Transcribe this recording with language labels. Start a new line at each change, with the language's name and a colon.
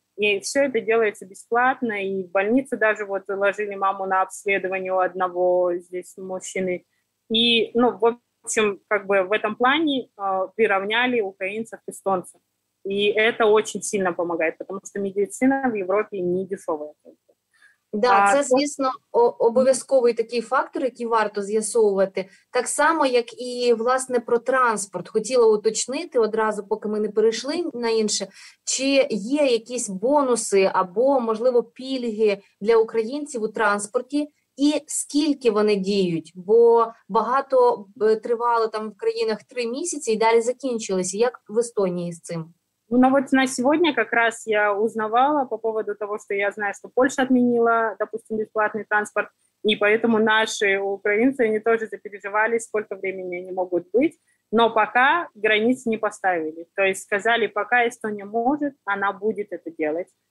Russian: И все это делается бесплатно. И в больнице даже вот ложили маму на обследование у одного здесь мужчины. И, ну, в общем, как бы в этом плане приравняли украинцев к эстонцам. И это очень сильно помогает, потому что медицина в Европе не дешевая.
Ukrainian: Да, це, звісно, обов'язковий такий фактор, який варто з'ясовувати. Так само, як і, власне, про транспорт. Хотіла уточнити одразу, поки ми не перейшли на інше, чи є якісь бонуси або, можливо, пільги для українців у транспорті, і скільки вони діють? Бо багато тривало там в країнах 3 місяці і далі закінчилися. Як в Естонії з цим?
Russian: Ну, вот на сегодня как раз я узнавала по поводу того, что я знаю, что Польша отменила, допустим, бесплатный транспорт, и поэтому наши украинцы, они тоже запереживали, сколько времени они могут быть, но пока границ не поставили. То есть сказали, пока Эстония может, она будет это делать.